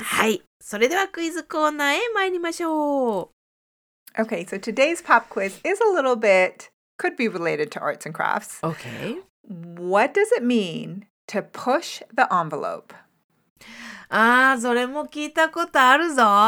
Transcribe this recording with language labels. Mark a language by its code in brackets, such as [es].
[ja] はい、それではクイズコーナーへ参りましょう。 [en] Okay, so today's pop quiz is a little bit, could be related to arts and crafts. Okay. What does it mean to push the envelope? [ja] ああ、それも聞いたことあるぞ。